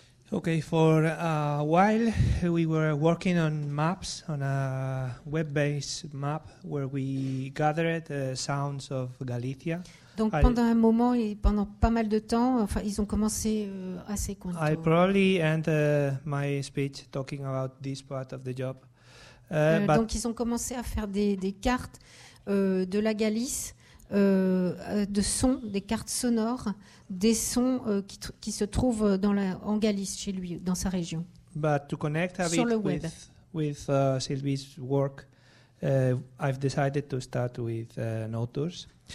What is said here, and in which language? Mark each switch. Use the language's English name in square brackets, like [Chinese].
[English] Okay, for a while we were working on maps, on a web-based map where we gathered the sounds of Galicia. [French] Donc pendant un moment et pendant pas mal de temps, enfin ils ont commencé assez content. [English] I probably end my speech talking about this part of the job. [French] Donc ils ont commencé à faire des cartes de la Galice. De sons, des cartes sonores, des sons qui se trouvent en Galice, chez lui, dans sa région. [English] But to connect a bit with Sylvie's work, I've decided to start with No Tours.